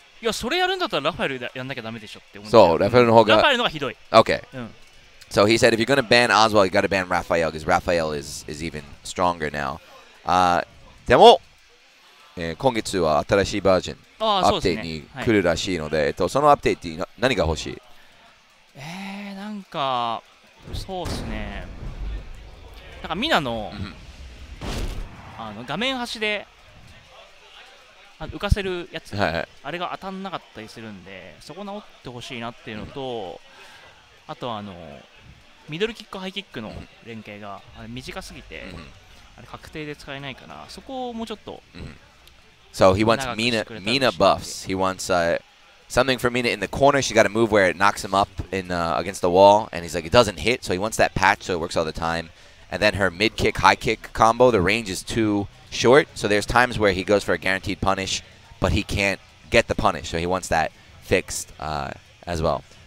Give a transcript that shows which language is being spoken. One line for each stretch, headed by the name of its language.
Japanese: いやそれやるんだったらラファエルやんなきゃダメでしょって思う。そうラファエルの方が。ラファエルのがひどい。
English: Okay.、うん、so he said if you're gonna ban Oswald, you gotta ban Raphael because Raphael is even stronger now.
Japanese: でも、今月は新しいバージョン、ね、アップデートに来るらしいので、はい、そのアップデートに何が欲しい？なんかそうですね。なんかミナの、うん、あの画面端で。浮かせるやつ、はいはい、あれが当たんなかったりするんでそこ直ってほしいなっていうのと、うん、あとはあのミドルキックハイキックの連携が、うん、あれ短すぎて、うん、あれ確定で使えないかなそこをもうちょっと、うん、
English: So he wants Mina buffs. He wants something for Mina in the corner. She got a move where it knocks him up in, against the wall and he's like it doesn't hit so he wants that patch so it works all the time and then her mid kick high kick combo the range is tooShort, so there's times where he goes for a guaranteed punish, but he can't get the punish, so he wants that fixed as well.